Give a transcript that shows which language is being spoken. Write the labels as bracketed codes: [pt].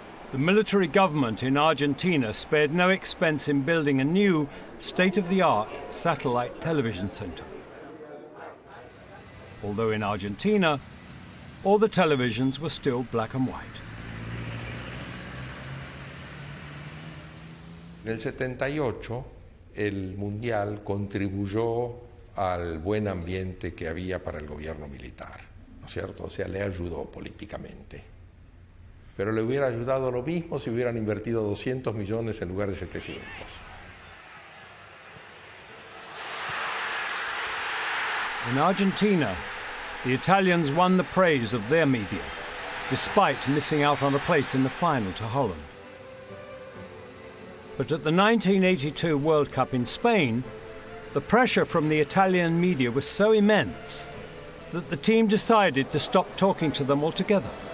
[en] The military government in Argentina spared no expense in building a new, state-of-the-art satellite television center. Although in Argentina, all the televisions were still black and white. In 1978, [es] el Mundial contribuyó al buen ambiente que había para el gobierno militar, ¿no es cierto? O sea, le ayudó políticamente. Pero le hubiera ayudado lo mismo si hubieran invertido 200 millones en lugar de 700. [en] In Argentina, the Italians won the praise of their media, despite missing out on a place in the final to Holland. But at the 1982 World Cup in Spain, the pressure from the Italian media was so immense that the team decided to stop talking to them altogether.